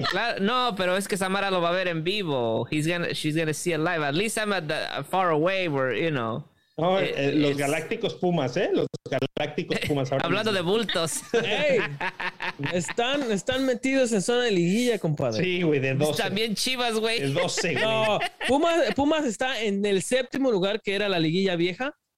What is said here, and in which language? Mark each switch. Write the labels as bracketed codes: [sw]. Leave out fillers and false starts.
[es] Claro, no, pero es que Samara lo va a ver en vivo. [en] She's gonna see it live. At least I'm at the far away where, you know. [es] Los galácticos Pumas, los galácticos Pumas. Hablando de bultos. Hey, están metidos en zona de liguilla, compadre. Sí, güey, de 12. También Chivas, güey. De 12, güey. No, Pumas está en el séptimo lugar, que era la liguilla vieja.